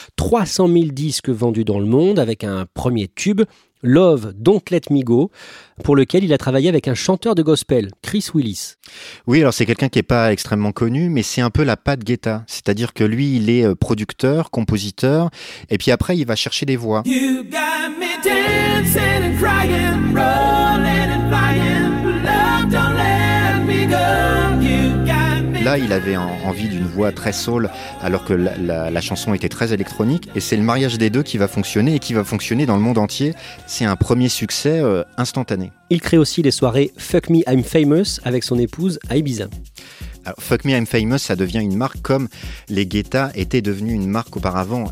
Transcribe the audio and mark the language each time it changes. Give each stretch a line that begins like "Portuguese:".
French: 300 000 disques vendus dans le monde avec un premier tube, Love, Don't Let Me Go, pour lequel il a travaillé avec un chanteur de gospel, Chris Willis. Oui, alors c'est quelqu'un qui n'est pas extrêmement connu, mais c'est un peu la patte Guetta. C'est-à-dire que lui, il est producteur, compositeur, et puis après, il va chercher des voix.
English: You got me dancing and crying, rolling and flying, love, don't let me go.
French: Là, il avait envie d'une voix très soul, alors que la chanson était très électronique. Et c'est le mariage des deux qui va fonctionner et qui va fonctionner dans le monde entier. C'est un premier succès instantané. Il crée aussi les soirées Fuck Me, I'm Famous avec son épouse à Ibiza. Alors, Fuck Me, I'm Famous, ça devient une marque comme les Guetta étaient devenus une marque auparavant.